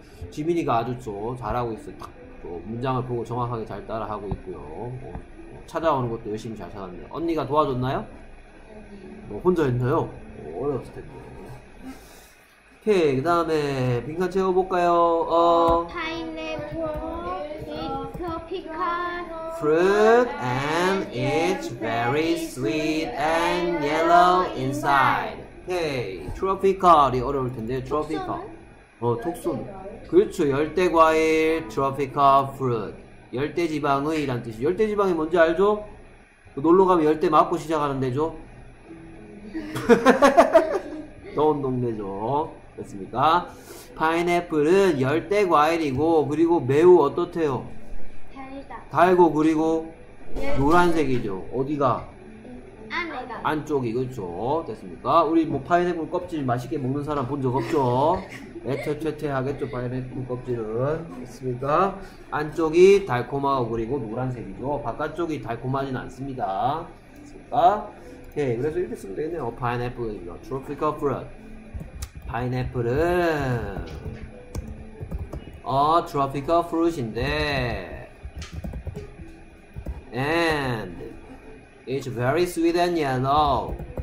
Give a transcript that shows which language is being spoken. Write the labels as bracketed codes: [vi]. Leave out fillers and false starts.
[ko] 지민이가 아주 잘하고 있어요. 딱 또 문장을 보고 정확하게 잘 따라하고 있고요. 찾아오는 것도 열심히 잘 찾았네요. 언니가 도와줬나요? 뭐 혼자 했나요? 어려웠을 텐데. 오케이, 그 다음에 빈칸 채워볼까요? [en] Pineapple is tropical fruit and it's very sweet and yellow inside. [ko] 오케이, tropical이 어려울 텐데요. Tropical. 톡순 그렇죠 열대과일 tropical fruit 열대지방의 이란 뜻이 열대지방이 뭔지 알죠? 놀러가면 열대 맞고 시작하는 데죠? 더운 동네죠 됐습니까? 파인애플은 열대 과일이고 그리고 매우 어떻대요? 달다. 달고 그리고 노란색이죠. 어디가? 안에가. 안쪽이 그렇죠. 됐습니까? 우리 뭐 파인애플 껍질 맛있게 먹는 사람 본 적 없죠? 애틋애틋하겠죠 파인애플 껍질은. 됐습니까? 안쪽이 달콤하고 그리고 노란색이죠. 바깥쪽이 달콤하진 않습니다. 됐습니까? 네, 그래서 이렇게 쓰면 되겠네요. [en] Pineapple is a tropical fruit. Pineapple a tropical fruit인데 and it's very sweet and yellow.